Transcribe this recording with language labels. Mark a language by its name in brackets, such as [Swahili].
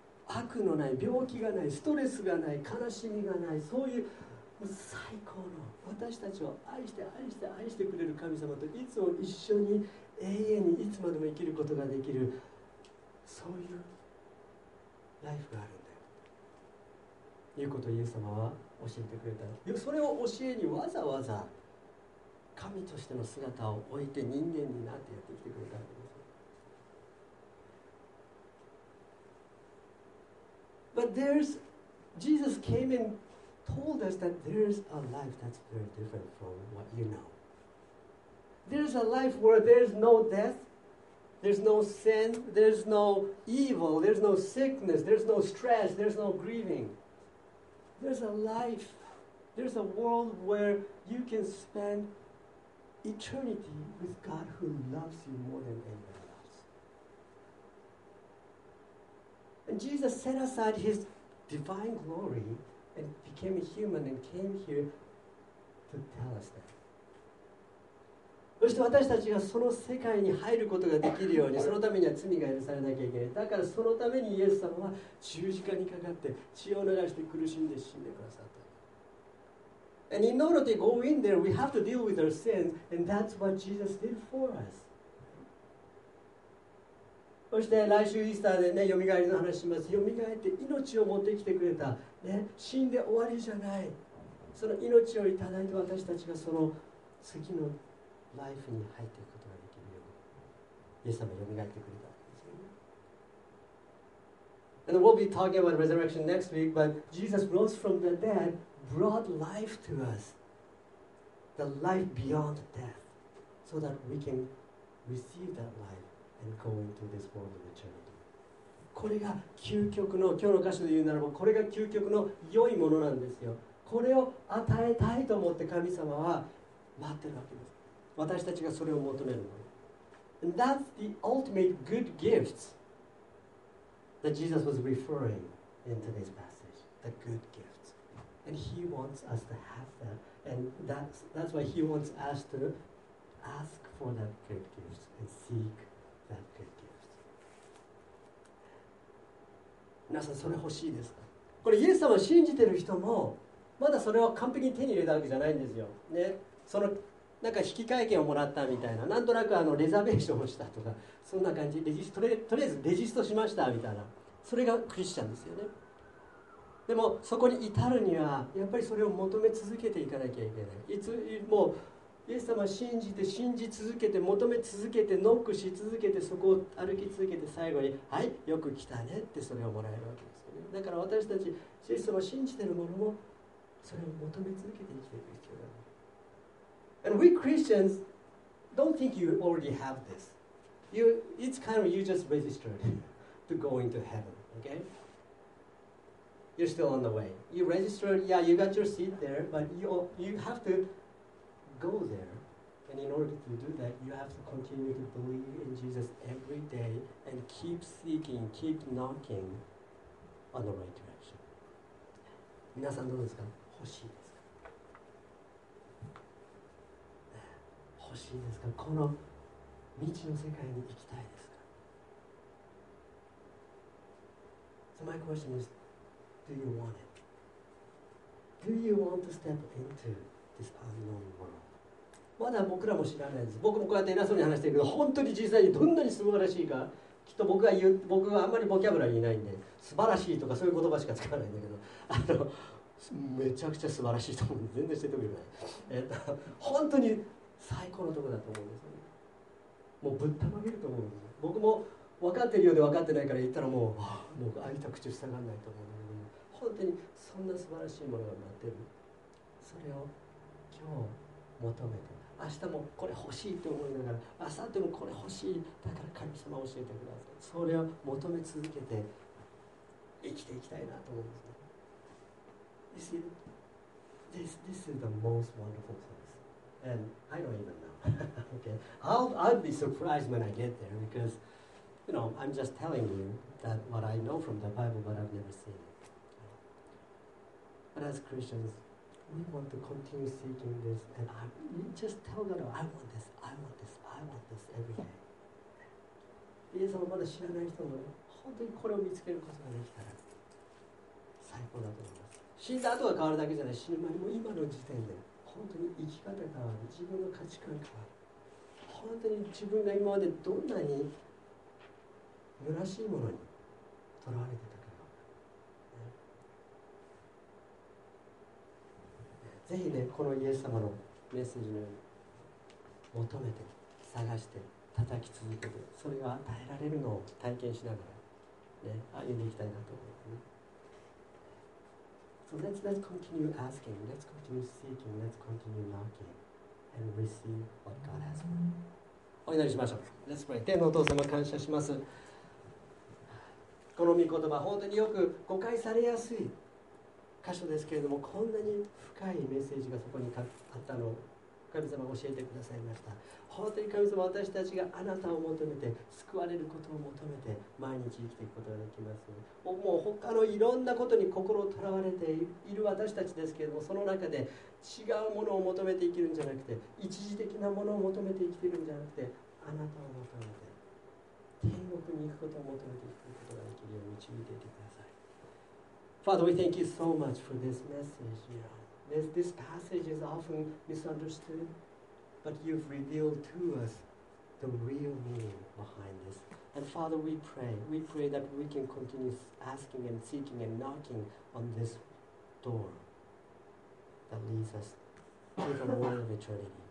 [Japanese] 悪のない、病気がない、ストレスがない、悲しみがない、そういう最高の私たちを愛して愛して愛してくれる神様といつも一緒に永遠にいつまでも生きることができる、そういうライフがあるんだよ。いうことをイエス様は教えてくれた。それを教えにわざわざ神としての姿を置いて人間になってやってきてくれたわけです。 [English] But there's Jesus came and told us that there's a life that's very different from what you know. There's a life where there's no death, there's no sin, there's no evil, there's no sickness, there's no stress, there's no grieving. There's a life, there's a world where you can spend eternity with God who loves you more than anybody. And Jesus set aside his divine glory and became a human and came here to tell us that. [Japanese] そして私たちがその世界に入ることができるように、そのためには罪が許されなきゃいけない。だからそのためにイエス様は十字架にかかって血を流して苦しんで死んでくださった。 [English] And in order to go in there, we have to deal with our sins, and that's what Jesus did for us. [Japanese] そして来週イースターでね、蘇りの話します。蘇って命を持ってきてくれた、ね、死んで終わりじゃない、その命をいただいて私たちがその次のライフに入っていくことができるように、イエス様蘇ってくれたわけですよね。 [English] And we'll be talking about resurrection next week, but Jesus rose from the dead, brought life to us, the life beyond death, so that we can receive that lifeAnd go into this world of eternity. [Japanese] これが究極の、今日の箇所で言うならば、これが究極の良いものなんですよ。これを与えたいと思って神様は待ってるわけです。私たちがそれを求めるの。 [English] And that's the ultimate good gift that Jesus was referring in today's passage. The good gift. And he wants us to have that. And that's why he wants us to ask for that good gift and seek. [Japanese] 皆さんそれ欲しいですか？これイエス様を信じてる人もまだそれを完璧に手に入れたわけじゃないんですよ、ね、そのなんか引き換え券をもらったみたいな、なんとなくあのレザベーションをしたとかそんな感じ、とりあえずレジストしましたみたいな、それがクリスチャンですよね。でもそこに至るにはやっぱりそれを求め続けていかなきゃいけない。いつもイエス様を信じて、信じ続けて、求め続けて、ノックし続けて、そこを歩き続けて、最後にはい、よく来たねってそれをもらえるわけですよね。だから私たち、イエス様を信じている者もそれを求め続けて生きていく必要がある。 [English] And we Christians don't think you already have this. It's kind of you just registered to go into heaven, okay? You're still on the way. You registered, yeah, you got your seat there, but you have toGo there, and in order to do that, you have to continue to believe in Jesus every day and keep seeking, keep knocking on the right direction. [Japanese] 皆さんどうですか？欲しいですか？欲しいですか？この道の世界に行きたいですか ？ [English] So my question is, do you want it? Do you want to step into this unknown world? [Japanese] まだ僕らも知らないです。僕もこうやって偉そうに話してるけど、本当に実際にどんなに素晴らしいか、きっと僕はあんまりボキャブラリーいないんで、素晴らしいとかそういう言葉しか使わないんだけど、めちゃくちゃ素晴らしいと思うんで、全然知ってもいない。本当に最高のところだと思うんですよね。もうぶったまげると思うんですよ。僕も分かってるようで分かってないから言ったらもう開いた口塞がんないと思うんだけど、ね、本当にそんな素晴らしいものが待ってる。それを今日、求めて、明日もこれ欲しいと思いながら、明後日もこれ欲しい、だから神様を教えてください。それを求め続けて生きていきたいなと思うんですね。 [English] You see, this is the most wonderful things. And I don't even know. Okay, I'll be surprised when I get there because, you know, I'm just telling you that what I know from the Bible, but I've never seen it. But as Christians,We want to continue seeking this, and we just tell God, I want this, I want this, I want this every day. [Japanese] 皆さんまだ知らない人も本当にこれを見つけることができたら最高だと思います。死んだ後が変わるだけじゃない、死ぬ前も今の時点で本当に生き方変わる、自分の価値観変わる、本当に自分が今までどんなに虚しいものにとらわれてたか、ね、ぜひね、このイエス様のメッセージのように求めて探して叩き続けて、それが与えられるのを体験しながら、ね、歩んでいきたいなと思います、ね。 [English] So let's continue asking, let's continue seeking, let's continue knocking, and receive what God has for us. [Japanese] お祈りしましょう。 [English] Let's pray. [Japanese] 天のお父様、感謝します。この御言葉、本当によく誤解されやすい箇所ですけれども、こんなに深いメッセージがそこにあったのを神様が教えてくださいました。本当に神様、私たちがあなたを求めて救われることを求めて毎日生きていくことができます。もう他のいろんなことに心をとらわれている私たちですけれども、その中で違うものを求めて生きるんじゃなくて、一時的なものを求めて生きているんじゃなくて、あなたを求めて天国に行くことを求めて生きていくことができるように導いていてください。 [English] Father, we thank you so much for this message. Yeah. This passage is often misunderstood, but you've revealed to us the real meaning behind this. And Father, we pray that we can continue asking and seeking and knocking on this door that leads us to the world of eternity.